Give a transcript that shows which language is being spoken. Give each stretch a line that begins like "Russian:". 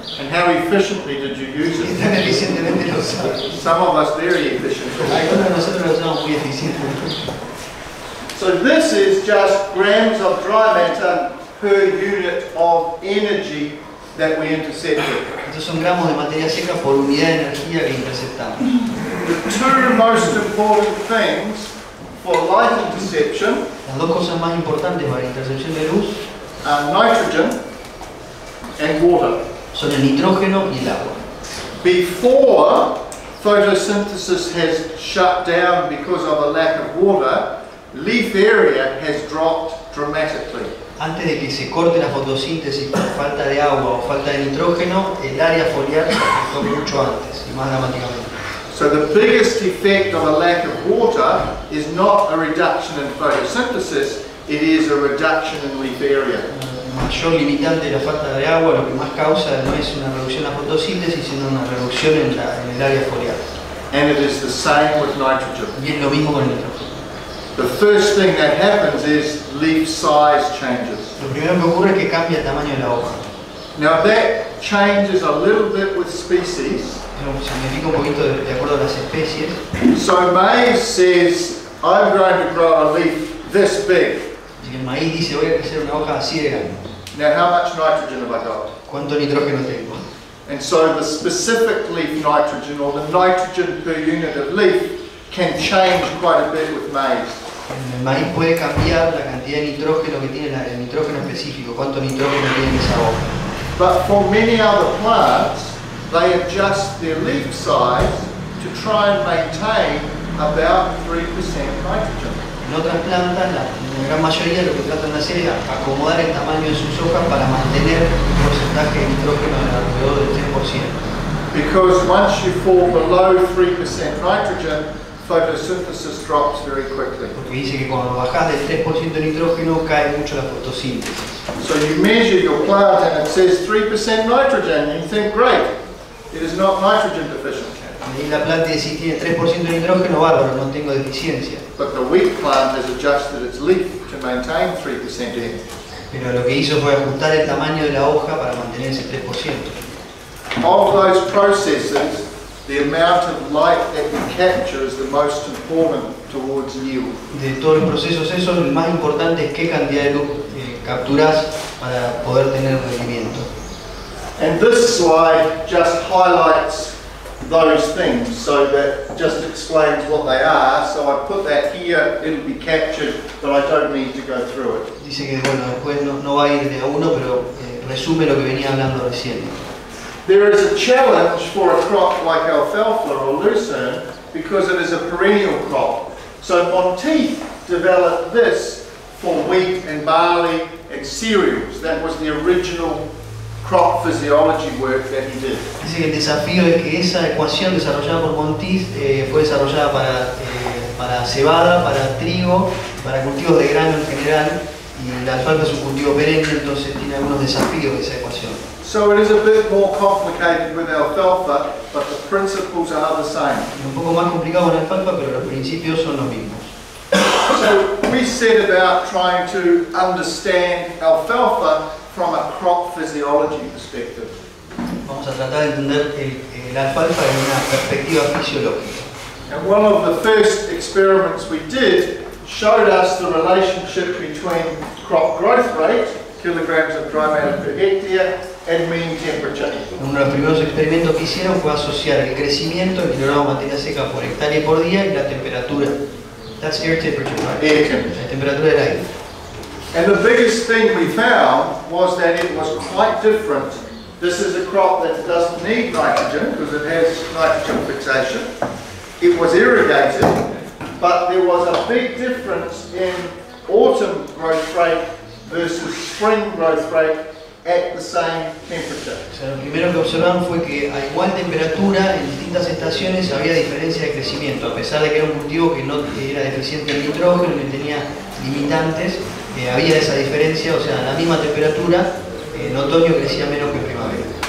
English: And how efficiently did you use it?
Spanish: ¿Qué tan eficientemente lo usé?
English: Some of us very efficiently.
Spanish: Algunos de nosotros lo usamos muy eficientemente.
English: So this is just grams of dry matter per unit of energy that we intercepted.
Spanish: Estos son gramos de materia seca por unidad de energía que interceptamos.
English: The two most important things for light interception.
Spanish: Las dos cosas más importantes para la intercepción de luz.
English: Are nitrogen and water.
Spanish: Son el nitrógeno y el agua.
English: Before photosynthesis has shut down because of a lack of water, leaf area has dropped dramatically.
Spanish: Antes de que se corte la fotosíntesis por falta de agua o falta de nitrógeno, el área foliar se afectó mucho antes y más dramáticamente.
English: So the biggest effect of a lack of water is not a reduction in photosynthesis, it is a reduction in leaf area.
Spanish: El mayor limitante de la falta de agua, lo que más causa, no es una reducción en la fotosíntesis, sino una reducción en el área foliar.
English: And it is the same with nitrogen.
Spanish: Y es lo mismo con el nitrógeno.
English: The first thing that happens is leaf size changes.
Spanish: Lo primero que ocurre es que cambia el tamaño de la hoja.
English: Now that changes a little bit with species.
Spanish: Pero significa un poquito de acuerdo a las especies.
English: So maize says, I'm going to grow a leaf this big.
Spanish: Así que el maíz dice, voy a crecer una hoja así de grande.
English: Now how much nitrogen have I got?
Spanish: ¿Cuánto nitrógeno tengo?
English: And so the specific leaf nitrogen, or the nitrogen per unit of leaf, can change quite a bit with maize.
Spanish: El maíz puede cambiar la cantidad de nitrógeno que tiene, el nitrógeno específico, cuánto nitrógeno tiene en esa hoja.
English: But for many other plants, they adjust their leaf size to try and maintain about 3% nitrogen.
Spanish: En otras plantas, la gran mayoría lo que tratan de hacer es acomodar el tamaño de sus hojas para mantener un porcentaje de nitrógeno alrededor del 3%.
English: Because once you fall below 3% nitrogen, photosynthesis drops very quickly.
Spanish: Porque dice que cuando bajas del 3% de nitrógeno cae mucho la fotosíntesis.
English: So you measure your plant and it says 3% nitrogen, and you think, great, it is not nitrogen deficient.
Spanish: Y la planta dice, tiene 3% de nitrógeno, bárbaro, no tengo deficiencia.
English: But the weak plant has adjusted its leaf to maintain 3% N.
Spanish: Pero lo que hizo fue ajustar el tamaño de la hoja para mantener ese 3%.
English: Of those processes, the amount of light that you capture is the most important towards yield.
Spanish: De todos los procesos esos, el más importante es qué cantidad de luz capturas para poder tener rendimiento.
English: And this slide just highlights those things, so that just explains what they are. So I put that here, it'll be captured, but I don't need to go through it.
Spanish: Dice que bueno, después no va a ir de a uno, pero resume lo que venía hablando recién.
English: There is a challenge for a crop like alfalfa or lucerne because it is a perennial crop. So Monteith developed this for wheat and barley and cereals. That was the original crop physiology work that he did.
Spanish: Dice que el desafío es que esa ecuación desarrollada por Monteith fue desarrollada para cebada, para trigo, para cultivos de grano en general, y la alfalfa es un cultivo perenne, entonces tiene algunos desafíos esa ecuación.
English: So it is a bit more complicated with alfalfa, but the principles are the same.
Spanish: Es un poco más complicado con alfalfa, pero los principios son los mismos.
English: So we set about trying to understand alfalfa from a crop physiology perspective.
Spanish: Vamos a tratar de entender el alfalfa desde una perspectiva fisiológica.
English: And one of the first experiments we did showed us the relationship between crop growth rate, kilograms of dry matter per hectare, and mean temperature.
Spanish: Uno de los primeros experimentos que hicieron fue asociar el crecimiento en kilogramos de materia seca por hectárea por día y la temperatura.
English: That's air temperature, right? Air temperature.
Spanish: La temperatura del aire.
English: And the biggest thing we found was that it was quite different. This is a crop that doesn't need nitrogen because it has nitrogen fixation. It was irrigated, but there was a big difference in autumn growth rate versus spring growth rate at the same temperature.
Spanish: O sea, lo primero que observaron fue que a igual temperatura en distintas estaciones había diferencia de crecimiento, a pesar de que era un cultivo que no era deficiente en nitrógeno y tenía limitantes. Había esa diferencia, o sea, a la misma temperatura, en otoño crecía menos que en primavera.